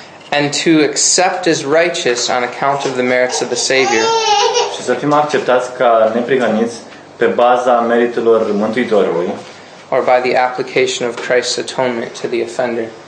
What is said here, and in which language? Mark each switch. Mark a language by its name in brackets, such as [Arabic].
[English] And to accept as righteous on account of the merits of the Savior. [Romanian] Și să fim acceptați ca neprihăniți pe baza meritelor Mântuitorului. [English] Or by the application of Christ's atonement to the offender.